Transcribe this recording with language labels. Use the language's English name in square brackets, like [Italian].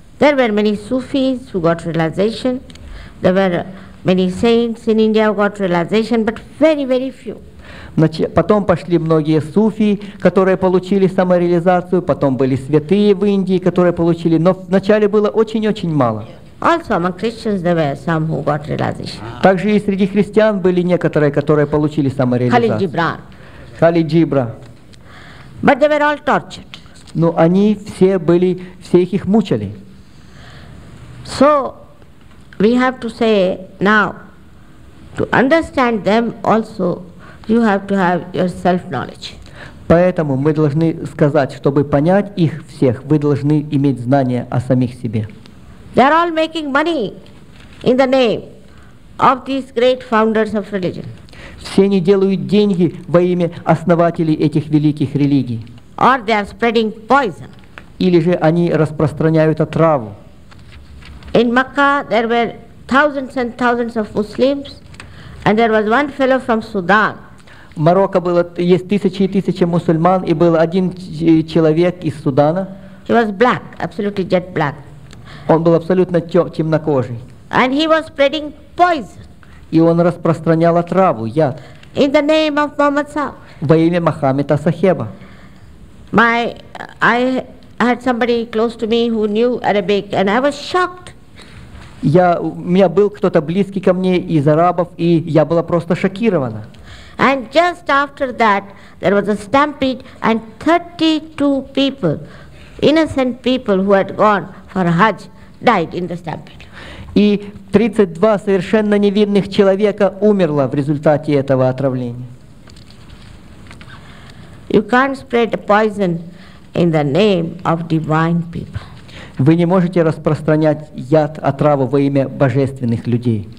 [English] There were many Sufis who got realization. There were many saints in India who got realization, but very, very few. [Russian] Потом пошли многие суфи, которые получили самореализацию, потом были святые в Индии, которые получили, но вначале было очень-очень мало. [English] Also among Christians there were some who got realization. [Russian] Также и среди христиан были некоторые, которые получили самореализацию. Хали Джибра. [English] But they were all tortured. [Russian] Но они все были, всех их мучили. [English] So we have to say now, to understand them also, you have to have your self-knowledge. [Russian] Поэтому мы должны сказать, чтобы понять их всех, вы должны иметь знания о самих себе. [English] They are all making money in the name of these great founders of religion. [Russian] Все они делают деньги во имя основателей этих великих религий. [English] Or they are spreading poison. [Russian] Или же они распространяют отраву. [English] In Mecca there were thousands and thousands of Muslims, and there was one fellow from Sudan. [Russian] Марокко было, есть тысячи и тысячи мусульман, и был один человек из Судана. [English] He was black, absolutely jet black. [Russian] Он был абсолютно темнокожий. [English] And he was spreading poison. [Russian] И он распространял отраву, яд. [English] In the name of Muhammad Sahib. [Russian] Во имя Мохаммеда Сахеба. [English] I had somebody close to me who knew Arabic, and I was shocked. [Russian] У меня был кто-то близкий ко мне из арабов, и я была просто шокирована. [English] And just after that, there was a stampede, and 32 people, innocent people who had gone for Hajj, died in the stampede. [Russian] И 32 совершенно невинных человека умерло в результате этого отравления. [English] You can't spread poison in the name of divine people. [Russian] Вы не можете распространять яд, отраву во имя божественных людей.